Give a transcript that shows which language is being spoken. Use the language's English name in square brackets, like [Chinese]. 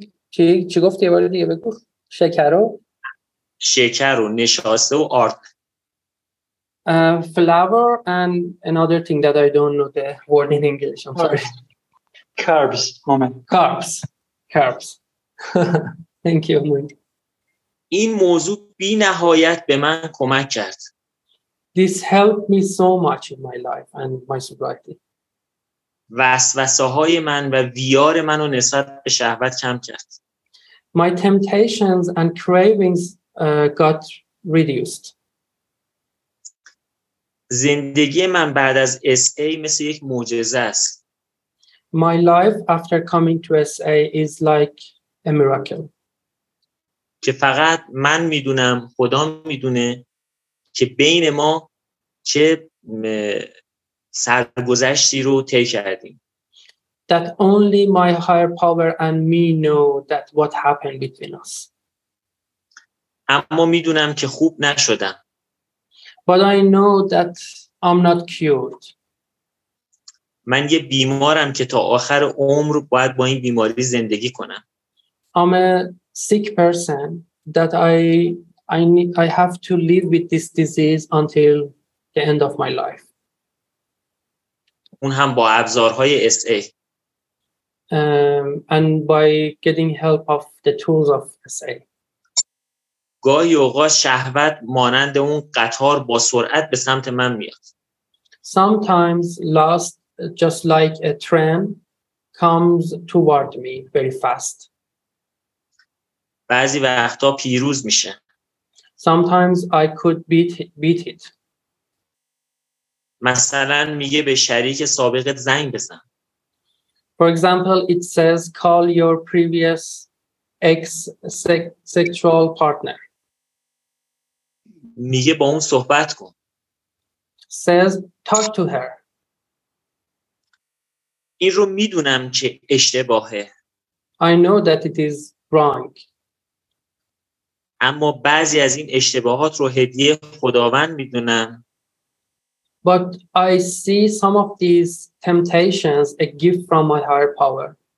[Persian] چی گفتی یه بار دیگه بگو؟ شکر و نشاسته و آرد. [English] Flour and another thing that I don't know the word in English. I'm sorry. Carbs. Moment. Carbs. Thank you. [Persian] این موضوع بی نهایت به من کمک کرد. [English] This helped me so much in my life and my sobriety. [Persian] وسوسه‌های من و ویار منو نسبت به شهوت کم کرد. [English] My temptations and cravings got reduced. [Persian] زندگی من بعد از SA مثل یک معجزه است. [English] my life after coming to SA is like a miracle. [Persian] که فقط من میدونم خدا میدونه که بین ما چه سرگذشتی رو طی کردیم. [English] That only my higher power and me know that what happened between us. [Persian] اما میدونم که خوب نشدم. [English] But I know that I'm not cured. [Persian] من یه بیمارم که تا آخر عمر باید با این بیماری زندگی کنم. [English] I'm a sick person that I have to live with this disease until the end of my life. [Persian] اون هم با ابزارهای SA. [English] And by getting help of the tools of SA. [Persian] گاهی اوقات شهوت مانند اون قطار با سرعت به سمت من میاد. [English] Sometimes lust, just like a tram, comes toward me very fast. [Persian] بعضی وقتا پیروز میشه. [English] Sometimes I could beat it. [Persian] مثلا میگه به شریک سابقت زنگ بزن. [English] For example, it says call your previous ex-sexual partner. [Persian] میگه با اون صحبت کن. [English] Says talk to her. [Persian] این رو میدونم که اشتباهه. [English] I know that it is wrong. [Persian] اما بعضی از این اشتباهات رو هدیه خداوند میدونم. [English] But I see some of these temptations a gift from my higher power.